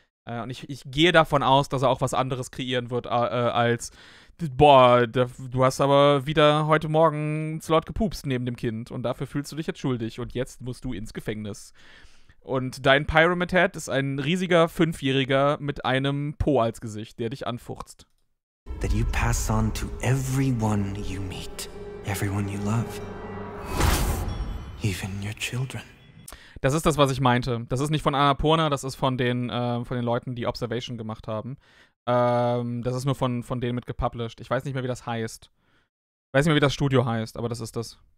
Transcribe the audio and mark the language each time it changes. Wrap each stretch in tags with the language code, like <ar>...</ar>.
<de>Und ich gehe davon aus, dass er auch was anderes kreieren wird als, du hast aber wieder heute Morgen zu laut gepupst neben dem Kind und dafür fühlst du dich jetzt schuldig und jetzt musst du ins Gefängnis. Und dein Pyramid-Head ist ein riesiger 5-Jähriger mit einem Po als Gesicht, der dich anfurzt.</de> <en>That you pass on to everyone you meet, everyone you love, even your children.</en> <de>Das ist das, was ich meinte. Das ist nicht von Annapurna, das ist von den Leuten, die Observation gemacht haben. Das ist nur von denen mit gepublished. Ich weiß nicht mehr, wie das heißt. Ich weiß nicht mehr, wie das Studio heißt, aber das ist das.</de>